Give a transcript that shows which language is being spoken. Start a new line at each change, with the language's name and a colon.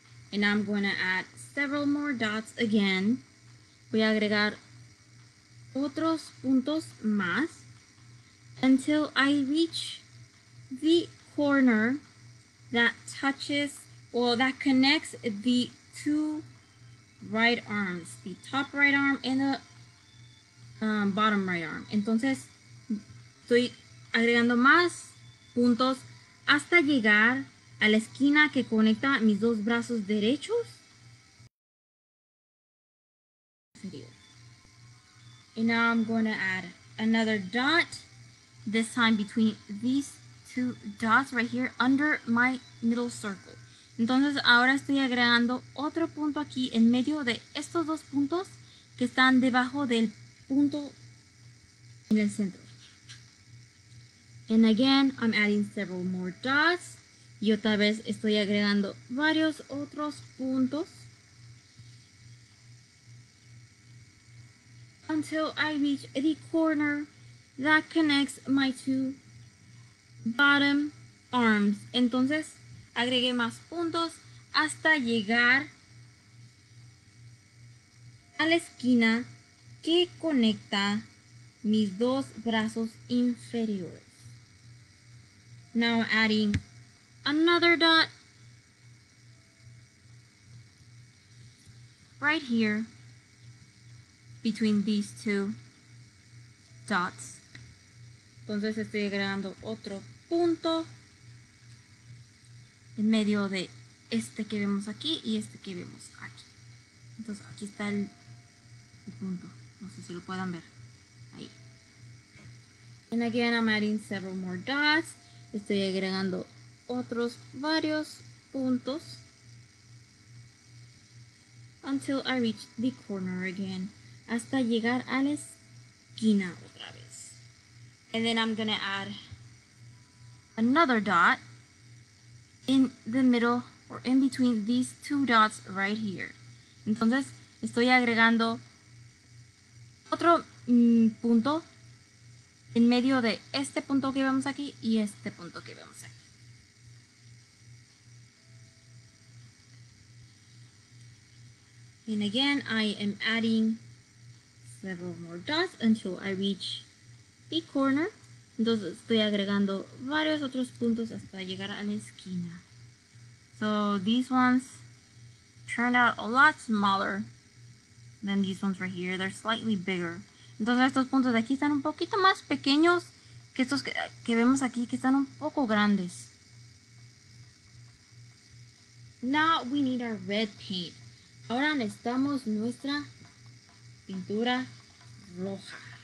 English: And I'm going to add several more dots again.
Spanish: Voy a agregar otros puntos más.
English: Until I reach the corner that touches, well, that connects the two right arms. The top right arm and the bottom right arm.
Spanish: Entonces, estoy agregando más puntos hasta llegar a la esquina que conecta mis dos brazos derechos.
English: And now I'm going to add another dot, this time between these two dots right here under my middle circle.
Spanish: Entonces, ahora estoy agregando otro punto aquí en medio de estos dos puntos que están debajo del punto en el centro.
English: And again, I'm adding several more dots.
Spanish: Y otra vez estoy agregando varios otros puntos.
English: Until I reach the corner that connects my two bottom arms.
Spanish: Entonces, agregué más puntos hasta llegar a la esquina que conecta mis dos brazos inferiores.
English: Now adding another dot right here between these two dots.
Spanish: Entonces estoy agregando otro punto en medio de este que vemos aquí y este que vemos aquí. Entonces aquí está el punto. No sé si lo puedan ver. Ahí.
English: And again, I'm adding several more dots.
Spanish: Estoy agregando otros varios puntos.
English: Until I reach the corner again.
Spanish: Hasta llegar a la esquina otra vez.
English: And then I'm gonna add another dot in the middle or in between these two dots right here.
Spanish: Entonces, estoy agregando otro punto en medio de este punto que vemos aquí y este punto que vemos aquí.
English: And again, I am adding several more dots until I reach the corner.
Spanish: Entonces, estoy agregando varios otros puntos hasta llegar a la esquina.
English: So, these ones turned out a lot smaller than these ones right here. They're slightly bigger.
Spanish: Entonces estos puntos de aquí están un poquito más pequeños que estos que vemos aquí, que están un poco grandes.
English: Now we need our red paint.
Spanish: Ahora necesitamos nuestra pintura roja.